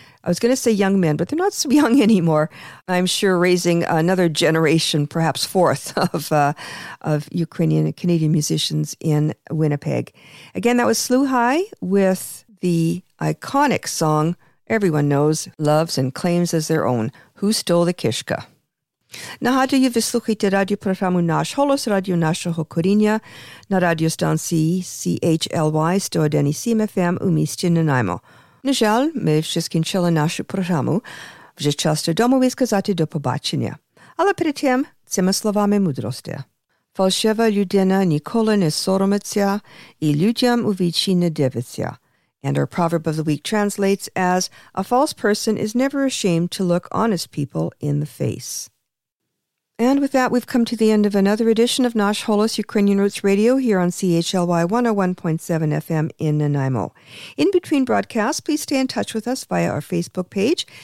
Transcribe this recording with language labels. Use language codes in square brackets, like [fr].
[en] I was going to say young men, but they're not so young anymore. I'm sure raising another generation, perhaps fourth, of Ukrainian and Canadian musicians in Winnipeg. Again, that was Slew High with the iconic song everyone knows, loves, and claims as their own, Who Stole the Kishka? [uk] Нагадую, ви слухаєте радіопрограму «Наш голос», радіо нашого коріння на радіостанції CHLY 101.7 FM у місті Нанаймо. На жаль, ми вже скінчили нашу програму. Вже час додому і сказати до побачення. Але перед тим, цими словами мудрості. Фальшива людина ніколи не соромиться і людям у вічі не дивиться. [en] And our proverb of the week translates as, a false person is never ashamed to look honest people in the face. And with that, we've come to the end of another edition of Nash Holos Ukrainian Roots Radio here on CHLY 101.7 FM in Nanaimo. In between broadcasts, please stay in touch with us via our Facebook page.